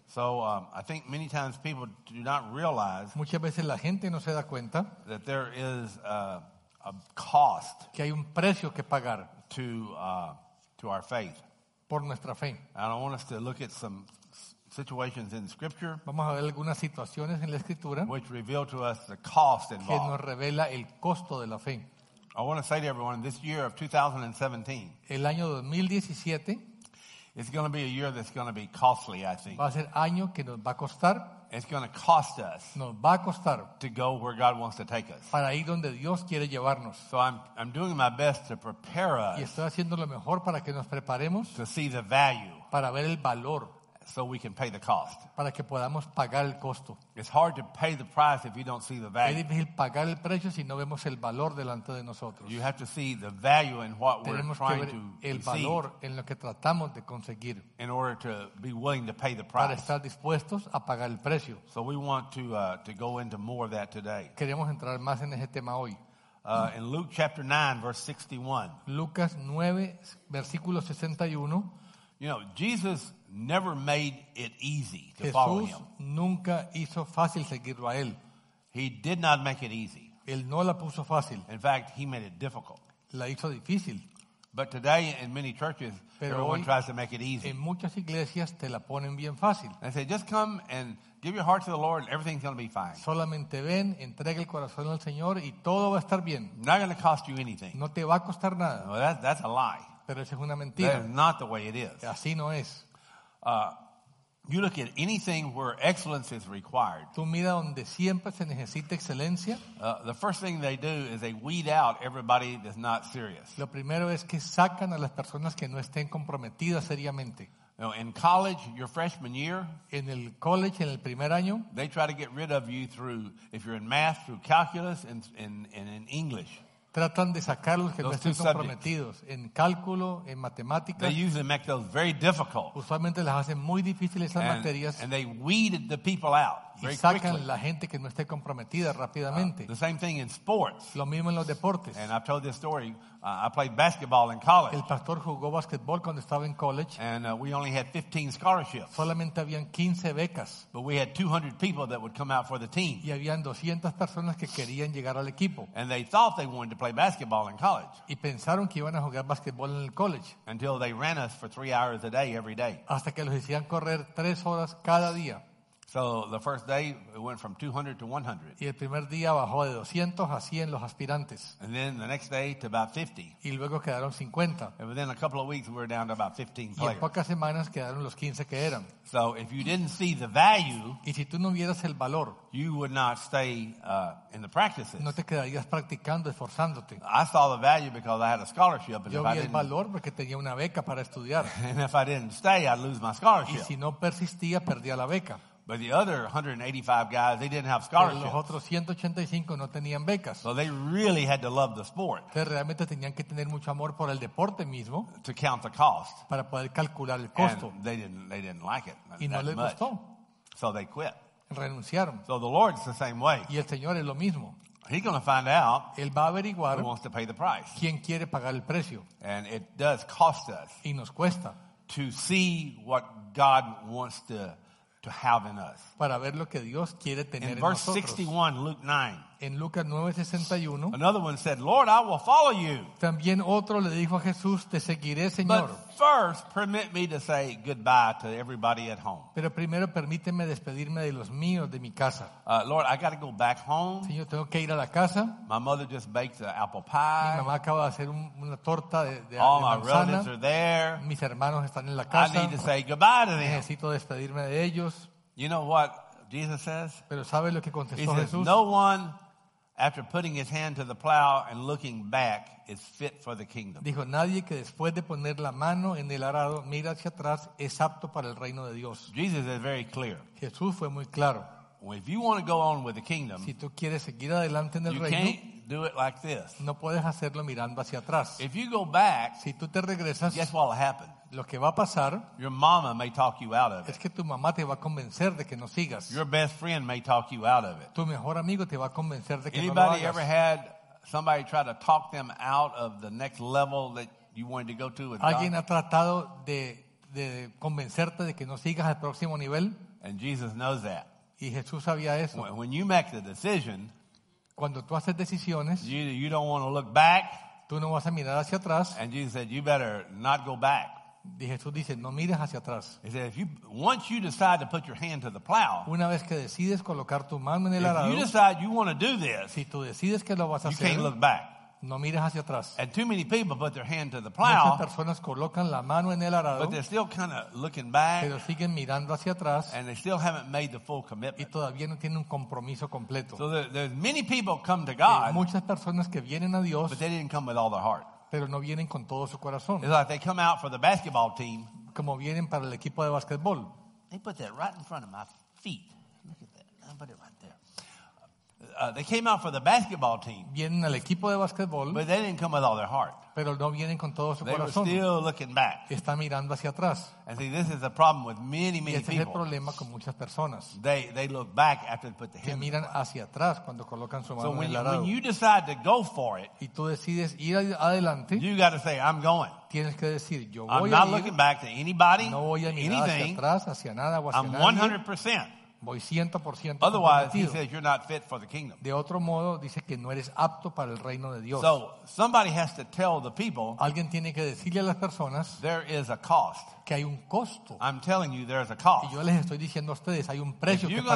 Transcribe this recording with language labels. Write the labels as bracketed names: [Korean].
[English] So I think many times people do not realize. [Spanish] Muchas veces la gente no se da cuenta. [English] That there is a cost. [Spanish] Que hay un precio que pagar. [English] To our faith. [Spanish] Por nuestra fe. [English] And I want us to look at some situations in scripture. [Spanish] Vamos a ver algunas situaciones en la escritura. [English] Which reveal to us the cost involved. [Spanish] Que nos revela el costo de la fe. [English] I want to say to everyone, this year of 2017. [Spanish] El año 2017. [English] It's going to be a year that's going to be costly, I think. [Spanish] Va a ser año que nos va a costar. [English] It's going to cost us. [Spanish] Nos va a costar. [English] To go where God wants to take us. [Spanish] Para ir donde Dios quiere llevarnos. [English] So I'm doing my best to prepare us. [Spanish] Y estoy haciendo lo mejor para que nos preparemos. [English] To see the value. [Spanish] Para ver el valor. [English] So we can pay the cost. [Spanish] Para que podamos pagar el costo. [English] It's hard to pay the price if you don't see the value. [Spanish] Es difícil pagar el precio si no vemos el valor delante de nosotros. [English] You have to see the value in what we're trying to receive. [Spanish] Tenemos que ver el valor en lo que tratamos de conseguir. [English] In order to be willing to pay the price. [Spanish] Para estar dispuestos a pagar el precio. [English] So we want to go into more of that today. [Spanish] Queremos entrar más en ese tema hoy. [English] In Luke chapter 9 verse 61. [Spanish] Lucas 9 versículo 61. [English] You know, Jesus never made it easy to [Spanish] Jesús [English] follow him. [Spanish] Nunca hizo fácil seguirlo a él. [English] He did not make it easy. [Spanish] Él no la puso fácil. [English] In fact, he made it difficult. [Spanish] La hizo difícil. [English] But today, in many churches, [Spanish] pero [English] everyone [Spanish] hoy, [English] tries to make it easy. [Spanish] En muchas iglesias te la ponen bien fácil. [English] They say, just come and give your heart to the Lord and everything's going to be fine. [Spanish] Solamente ven, entrega el corazón al Señor y todo va a estar bien. [English] Not going to cost you anything. [Spanish] No te va a costar nada. [English] Well, that's a lie. [Spanish] Pero esa es una mentira. [English] That is not the way it is. [Spanish] Así no es. [English] You look at anything where excellence is required. [Spanish] Tú mira donde siempre se necesita excelencia. [English] The first thing they do is they weed out everybody that's not serious. [Spanish] Lo primero es que sacan a las personas que no estén comprometidas seriamente. [English] Now, in college, your freshman year, [Spanish] en el college, en el primer año, [English] they try to get rid of you through, if you're in math, through calculus and in English. [Spanish] Tratan de sacar los que no estén comprometidos en cálculo, en matemáticas. [English] They usually make those very difficult. [Spanish] Usualmente las hacen muy difíciles esas materias. [English] And they weeded the people out very [Spanish] y sacan [English] quickly. [Spanish] La gente que no esté comprometida rápidamente. [English] The same thing in sports. [Spanish] Lo mismo en los deportes. [English] And I've told this story. I played basketball in college. [Spanish] El pastor jugó basketball cuando estaba en college. [English] And we only had 15 scholarships. [Spanish] Solamente habían 15 becas. [English] But we had 200 people that would come out for the team. [Spanish] Y habían 200 personas que querían llegar al equipo. [English] And they thought they wanted to play basketball in college. [Spanish] Y pensaron que iban a jugar basketball en el college. [English] Until they ran us for 3 hours a day every day. [Spanish] Hasta que los hacían correr 3 horas cada día. [English] So the first day it went from 200 to 100. [Spanish] Y el primer día bajó de 200 a 100 los aspirantes. [English] And then the next day to about 50. [Spanish] Y luego quedaron 50. [English] And within a couple of weeks we were down to about 15 players. [Spanish] Y en pocas semanas quedaron los 15 que eran. [English] So if you didn't see the value, [Spanish] y si tú no vieras el valor, [English] you would not stay in the practices. [Spanish] No te quedarías practicando, esforzándote. [English] I saw the value because I had a scholarship. [Spanish] Yo vi el valor porque tenía una beca para estudiar. [English] And if I didn't stay, I'd lose my scholarship. [Spanish] Y si no persistía, perdía la beca. [English] But the other 185 guys, they didn't have scholarships. [Spanish] Pero los otros 185 no tenían becas. [English] So they really had to love the sport. [Spanish] Que realmente tenían que tener mucho amor por el deporte mismo. [English] To count the cost. [Spanish] Para poder calcular el costo. [English] And they didn't like it. [Spanish] Y no les gustó. [English] So they quit. [Spanish] Renunciaron. [English] So the Lord's the same way. [Spanish] Y el Señor es lo mismo. [English] He's going to find out. [Spanish] Él va a averiguar. [English] Who wants to pay the price. [Spanish] Quién quiere pagar el precio. [English] And it does cost us. [Spanish] Y nos cuesta. [English] To see what God wants to have in us. [Spanish] Para ver lo que Dios quiere tener en nosotros. [English] In verse 61, Luke 9. [Spanish] En Lucas 9:61. [English] Another one said, "Lord, I will follow you." [Spanish] También otro le dijo a Jesús, "Te seguiré, Señor." [English] But first, permit me to say goodbye to everybody at home. [Spanish] Pero primero permíteme despedirme de los míos de mi casa. [English] Lord, I got to go back home. [Spanish] Señor, tengo que ir a la casa. [English] My mother just baked the apple pie. [Spanish] Mi mamá acaba de hacer una torta de [English] All [Spanish] de manzana. [English] My relatives are there. [Spanish] Mis hermanos están en la casa. [English] I need to say goodbye to them. [Spanish] Necesito despedirme de ellos. [English] You know what Jesus says? [Spanish] Pero ¿sabe lo que contestó [English] He says, [Spanish] Jesús? [English] No one after putting his hand to the plow and looking back is fit for the kingdom. [Spanish] Dijo nadie que después de poner la mano en el arado mira hacia atrás es apto para el reino de Dios. [English] Jesus is very clear. [Spanish] Jesús fue muy claro. [English] Well, if you want to go on with the kingdom, [Spanish] si tú quieres seguir adelante en el [English] you [Spanish] reino, [English] can't do it like this. [Spanish] No puedes hacerlo mirando hacia atrás. [English] If you go back, [Spanish] si tú te regresas, [English] guess what will happen? [Spanish] Lo que va a pasar, [English] your mama may talk you out of it. [Spanish] Es que tu mamá te va a convencer de que no sigas. [English] Your best friend may talk you out of it. [Spanish] Tu mejor amigo te va a convencer de que [English] anybody [Spanish] no lo hagas. [English] Anybody ever had somebody try to talk them out of the next level that you wanted to go to with God? [Spanish] ¿Alguien ha tratado de convencerte de que no sigas al próximo nivel? [English] And Jesus knows that. [Spanish] Y Jesús sabía eso. [English] When you make the decision, [Spanish] cuando tú haces decisiones, [English] you don't want to look back. [Spanish] Tú no vas a mirar hacia atrás. [English] And Jesus said, you better not go back. [Spanish] Y Jesús dice, no mires hacia atrás. [English] He said, once you decide to put your hand to the plow, [Spanish] una vez que decides colocar tu mano en el arado, [English] if you decide you want to do this, [Spanish] si tú decides que lo vas a hacer, [English] you can't look back. [Spanish] No mires hacia atrás. [English] And too many people put their hand to the plow, [Spanish] muchas personas colocan la mano en el arado, [English] but they're still kind of looking back, [Spanish] pero siguen mirando hacia atrás, [English] and they still haven't made the full commitment. [Spanish] Y todavía no tienen un compromiso completo. [English] So there's many people come to God, [Spanish] muchas personas que vienen a Dios, [English] but they didn't come with all their heart. [Spanish] Pero no vienen con todo su corazón. [English] It's like they come out for the basketball team. [Spanish] Como vienen para el equipo de basketball. [English] They put that right in front of my feet. Look at that. I put it right there. They came out for the basketball team. [Spanish] Vienen al equipo de basketball. [English] But they didn't come with all their heart. [Spanish] Pero no vienen con todo su [English] they [Spanish] corazón. [English] They were still looking back. [Spanish] Están mirando hacia atrás. [English] And see, this is the problem with many, many people. [Spanish] Y este es el problema con muchas personas. [English] They look back after they put the hand. [Spanish] Que miran hacia atrás cuando colocan su mano en el arado. [English] So when you decide to go for it, [Spanish] y tú decides ir adelante, [English] you got to say, I'm going. [Spanish] Tienes que decir, yo voy a ir. [English] I'm not looking back to anybody, [Spanish] no voy a mirar [English] anything. [Spanish] Hacia atrás, hacia nada, o hacia [English] I'm 100%. [Spanish] Voy 100% [English] otherwise, he says you're not fit for the kingdom. [Spanish] De otro modo, dice que no eres apto para el reino de Dios. [English] So somebody has to tell the people. [Spanish] Alguien tiene que decirle a las personas. [English] There is a cost. [Spanish] Que hay un costo. [English] I'm telling you, there is a cost. [Spanish] Y yo les estoy diciendo a ustedes, hay un precio que pagar.